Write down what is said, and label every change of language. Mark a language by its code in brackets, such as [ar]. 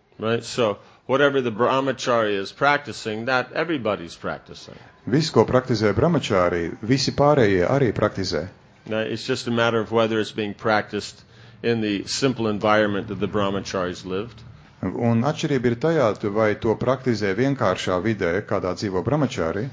[en] Right, so whatever the brahmacharya is practicing, that everybody's practicing. [lv] Visi, ko praktizē brahmacārī, visi pārējie arī praktizē. [en] Now, it's just a matter of whether it's being practiced in the simple environment that the brahmacharis lived. [lv] Un atšķirība ir tajā, vai to praktizē vienkāršā vidē, kādā dzīvo brahmacārī.